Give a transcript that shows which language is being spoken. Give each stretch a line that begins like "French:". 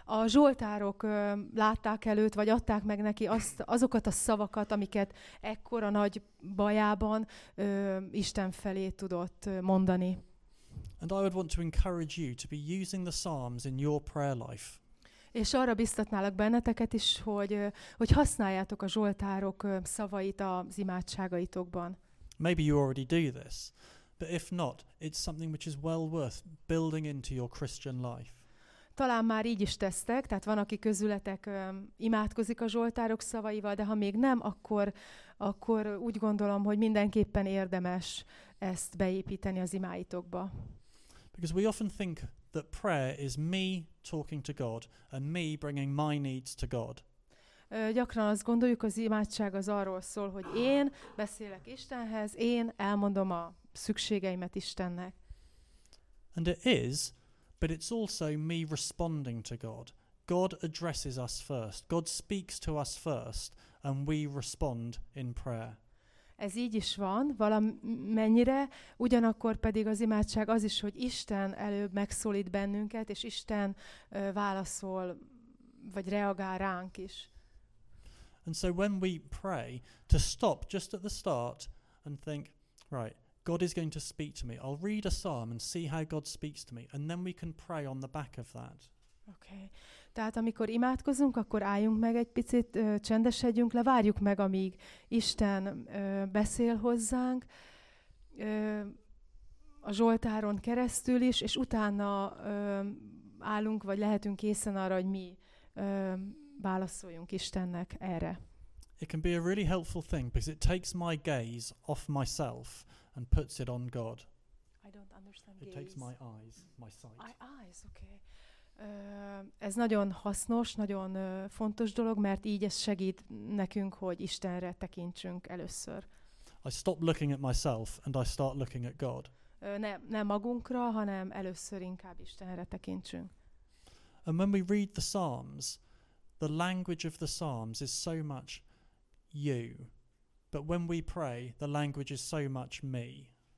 Hungarian: A Zsoltárok látták előtt, vagy adták meg neki azokat a szavakat, amiket ekkora nagy bajában Isten felé tudott mondani.
English: And I would want to encourage you to be using the Psalms in your prayer life.
Hungarian: És arra biztatnálak benneteket is, hogy használjátok a Zsoltárok szavait az imádságaitokban.
English: Maybe you already do this, but if not, it's something which is well worth building into your Christian life.
Hungarian: Talán már így is tesztek, tehát van, aki közületek imádkozik a Zsoltárok szavaival, de ha még nem, akkor úgy gondolom, hogy mindenképpen érdemes ezt beépíteni az imáitokba.
English: Because we often think that prayer is me talking to God and me bringing my needs to God.
Hungarian: Gyakran azt gondoljuk, az imádság az arról szól, hogy én beszélek Istenhez, én elmondom a szükségeimet Istennek.
English: And it is, but it's also me responding to God. God addresses us first. God speaks to us first and we respond in prayer.
Hungarian: Ez így is van, valamennyire, ugyanakkor pedig az imádság az is, hogy Isten előbb megszólít bennünket, és Isten válaszol, vagy reagál ránk is.
English: And so when we pray, to stop just at the start and think, right, God is going to speak to me. I'll read a psalm and see how God speaks to me. And then we can pray on the back of that. Okay.
Hungarian: Tehát amikor imádkozunk, akkor álljunk meg egy picit, csendesedjünk le, várjuk meg, amíg Isten beszél hozzánk a Zsoltáron keresztül is, és utána állunk, vagy lehetünk készen arra, hogy mi válaszoljunk Istennek erre.
English: It can be a really helpful thing, because it takes my gaze off myself and puts it on God. I don't understand it gaze. It takes my eyes, my sight. My eyes, okay.
Hungarian: Ez nagyon hasznos, nagyon fontos dolog, mert így ez segít nekünk, hogy Istenre tekintsünk először.
English: I stop looking at myself and I start looking at God.
Hungarian: Nem magunkra, hanem először inkább Istenre tekintsünk.
English: And when we read the Psalms, the language of the Psalms is so much you. But when we pray, the language is so much me.